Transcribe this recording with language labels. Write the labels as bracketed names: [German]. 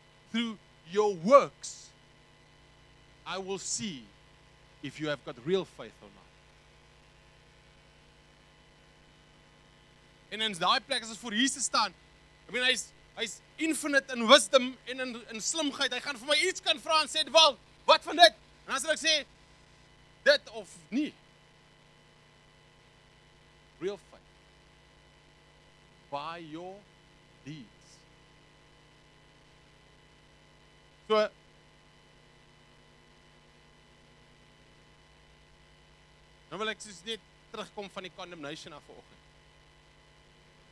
[English] Through your works I will see if you have got real faith or not. [Afrikaans] En in daai plek as ons voor Jesus staan, [English] I mean [Afrikaans] hy's infinite in wisdom en in slimheid. Hy gaan vir my iets kan vra en sê, "Wel, wat van dit?" En as ek sê dit of nie. [English] Real faith. By your deeds. [Afrikaans] So nou wil ek soos net terugkom van die condemnation af vanoggend.